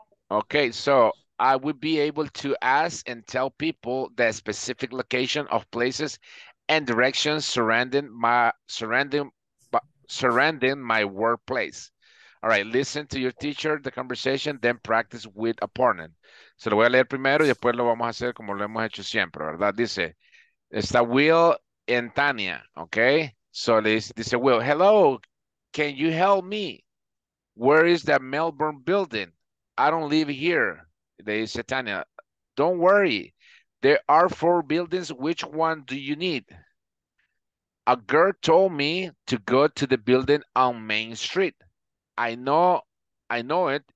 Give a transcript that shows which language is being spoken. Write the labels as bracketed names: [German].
[English] Okay, so I would be able to ask and tell people the specific location of places and directions surrounding my workplace. All right, listen to your teacher, the conversation, then practice with a partner. [Spanish] Se lo voy a leer primero y después lo vamos a hacer como lo hemos hecho siempre, ¿verdad? Dice, está Will and Tania, okay? [English] So [Spanish] dice [English] Will, hello, can you help me? Where is that Melbourne building? I don't live here. They said, Tania, don't worry. There are four buildings. Which one do you need? A girl told me to go to the building on Main Street. I know it.